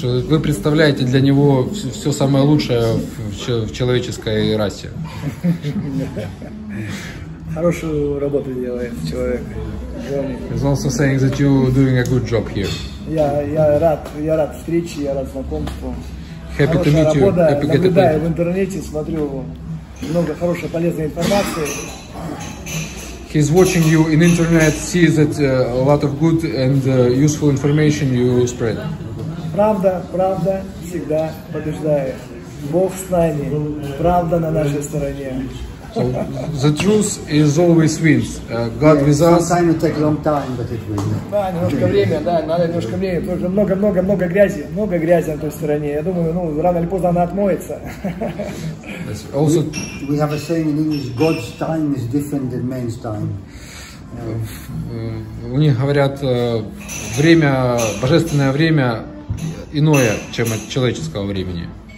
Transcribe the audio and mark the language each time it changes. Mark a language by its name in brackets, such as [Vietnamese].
[Russian] Вы представляете для него все самое лучшее в человеческой расе. Хорошую работу делает человек. [English] He's also saying that you are doing a good job here. [Russian] Я рад встрече, я рад знакомству. [English] Happy to meet you. Happy to meet you. [Russian] В интернете смотрю много хорошей полезной информации. [English] He's watching you in internet, sees that a lot of good and useful information you spread. [Russian] Правда, правда всегда побеждает. Бог с нами. Правда на нашей стороне. [English] So, the truth is always wins. God with us. Sometimes it takes a long time, but it wins. [Russian] Да, немножко время, да, надо немножко времени. Тоже много грязи на той стороне. Я думаю, ну, рано или поздно она отмоется. [English] Also, we have a saying in English, God's time is different than man's time. [Russian] У них говорят, время, божественное время иное, чем от человеческого времени.